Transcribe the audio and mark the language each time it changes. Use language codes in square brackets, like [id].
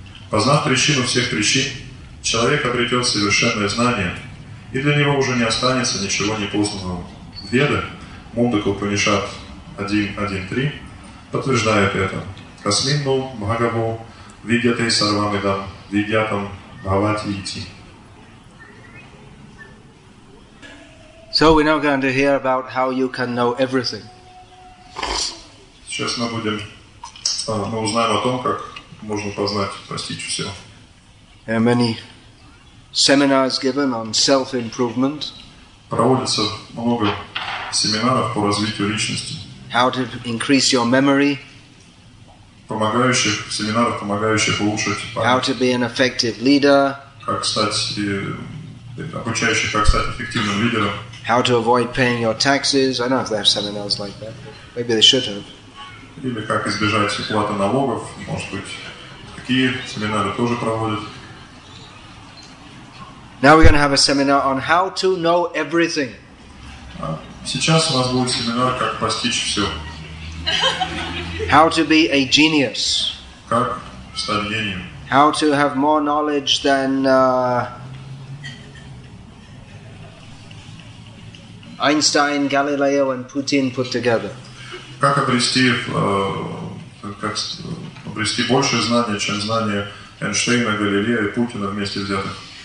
[ru] Познав причину всех причин, человек обретет совершенное знание, и для него уже не останется ничего непознанного. Веда, Мундака Упанишад 1.1.3, подтверждает это. [sa] Касминну Бхагаву Видьяте Сарвамидам Видьятам Бхавати Ити. [en] So we're now going to hear about how you can know everything. [ru] Сейчас мы будем, мы узнаем о том, как можно познать, постичь все. [en] There are many seminars given on self-improvement. [ru] Проводится много семинаров по развитию личности. [en] How to increase your memory. [ru] Помогающих, семинаров, помогающих улучшить память. [en] How to be an effective leader. [ru] Как стать, обучающих, как стать эффективным лидером. [en] How to avoid paying your taxes. I don't know if they have seminars like that. Maybe they should have. [ru] Или как избежать уплаты налогов, может быть, такие семинары тоже проводят. [en] Now we're going to have a seminar on how to know everything. [ru] Сейчас у нас будет семинар, как постичь все. [en] How to be a genius. [ru] Как стать гением. [en] How to have more knowledge than Einstein, Galileo and Putin put together. [ru] Как обрести больше знания, чем знания Эйнштейна, Галилея и Путина вместе взятых.